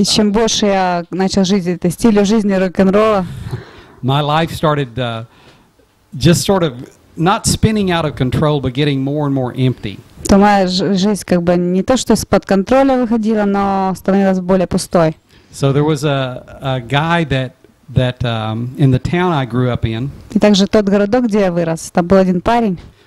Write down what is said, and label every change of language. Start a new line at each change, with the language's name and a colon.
Russian: И чем больше я начал жить этой стилю жизни рок-н-ролла.
English: My life started just sort of not spinning out of control, but getting more and more empty.
Russian: То моя жизнь как бы не то что из-под контроля выходила, но становилась более пустой.
English: So there was a guy that in the town I grew up in.
Russian: И также тот городок, где я вырос, там был один парень.